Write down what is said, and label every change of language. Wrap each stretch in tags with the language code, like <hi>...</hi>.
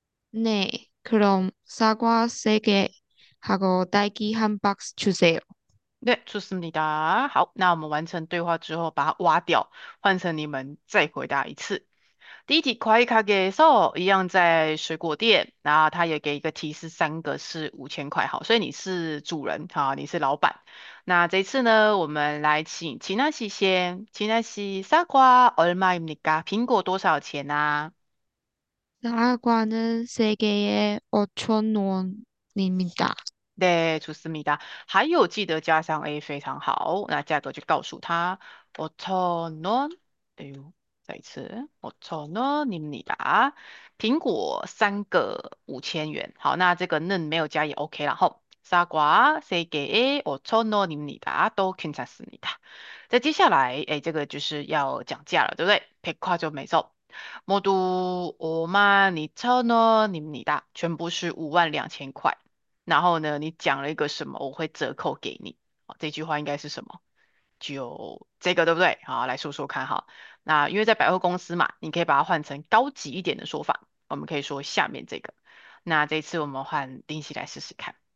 <ko>네, 그럼 사과 3개 하고 딸기 한 박스 주세요. 네, 좋습니다.</ko> <zh>好，那我们完成对话之后，把它挖掉，换成你们再回答一次。第一题，</zh> <ko>과일 가게에서</ko> <zh>一样在水果店，然后他也给一个提示，三个是5,000块，好，所以你是主人，好，你是老板。那这次呢，我们来请齐娜西先，齐娜西，</zh> <ko>사과 얼마입니까？</ko> <zh>苹果多少钱啊？</zh> <ko>사과는 3개에 5,000원입니다. 네, 좋습니다.</ko> <zh>还有记得加上 A 非常好，那价格就告诉他5,000원。哎呦，再一次</zh> <ko>5,000원입니다。</ko> <zh>苹果三个5,000元。好，那这个는 没有加也 OK 啦。</zh> <ko>好，사과세 개에 5,000원입니다. 都괜찮습니다。</ko> <zh>再接下来，哎，这个就是要讲价了，对不对？</zh> <ko>백화점에서모두52,000원입니다.</ko> <zh>全部是52,000块。然后呢，你讲了一个什么，我会折扣给你。这句话应该是什么？就这个，对不对？好，来说说看哈。那因为在百货公司嘛，你可以把它换成高级一点的说法。我们可以说下面这个。那这次我们换丁喜来试试看。</zh>